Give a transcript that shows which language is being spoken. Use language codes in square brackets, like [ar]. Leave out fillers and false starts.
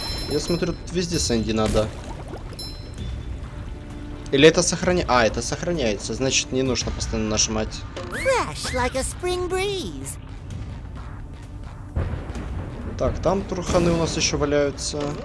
[ru] Я смотрю, тут везде Сэнди надо. Или это сохраняется? А, это сохраняется, значит не нужно постоянно нажимать. [en] Fresh, like a spring breeze. [ru] Так, там труханы у нас еще валяются.